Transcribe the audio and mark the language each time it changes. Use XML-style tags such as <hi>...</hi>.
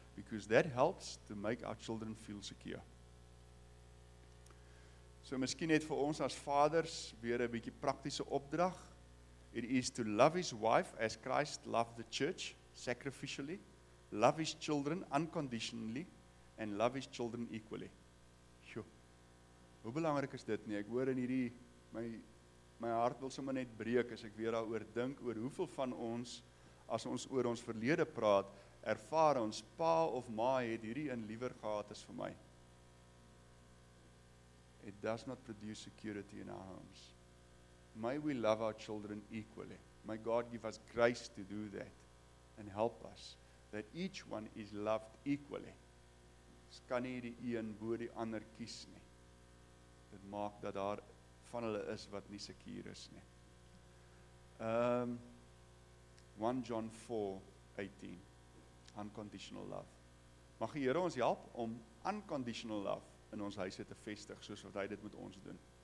<en>Because that helps to make our children feel secure.</en> <af>So miskien net vir ons as vaders weer 'n bietjie praktiese opdrag.</af> <en>It is to love his wife as Christ loved the church, sacrificially. Love his children unconditionally and love his children equally.</en> <af>Jo, hoe belangrik is dit nie? Ek hoor in hierdie, my hart wil sommer net breek as ek weer daaroor dink, oor hoeveel van ons, as ons oor ons verlede praat, ervaar ons pa of ma het hierdie in liewer gehad as vir my.</af> <en>It does not produce security in our homes. May we love our children equally. May God give us grace to do that and help us that each one is loved equally.</en> <af>Ons kan nie die een bo die ander kies nie. Dit maak dat daar van hulle is wat nie seker is nie.</af> <en>1 John 4:18. Unconditional love.</en> <af>Mag die Here ons help om unconditional love in ons huise te vestig, soos wat hy dit met ons doen.</af>